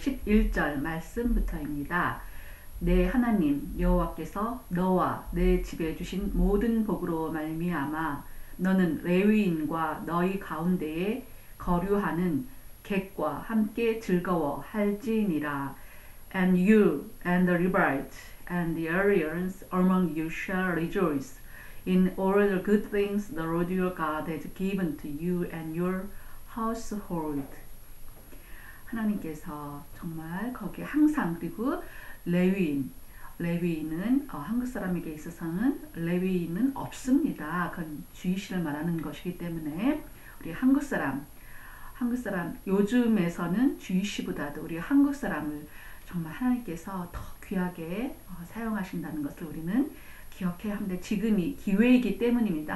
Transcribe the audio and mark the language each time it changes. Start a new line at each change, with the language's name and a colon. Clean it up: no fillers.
Korean: 11절 말씀부터입니다. 내 하나님 여호와께서 너와 내 집에 주신 모든 복으로 말미암아 너는 레위인과 너희 가운데에 거류하는 객과 함께 즐거워할지니라.
English: And you and the Levites and the Arians among you shall rejoice in all the good things the Lord your God has given to you and your household.
Korean: 하나님께서 정말 거기에 항상, 그리고 레위인은 한국 사람에게 있어서는 레위인은 없습니다. 그건 주의식을 말하는 것이기 때문에 우리 한국 사람 요즘에서는 주의식보다도 우리 한국 사람을 정말 하나님께서 더 귀하게 사용하신다는 것을 우리는 기억해야 하는데, 지금이 기회이기 때문입니다.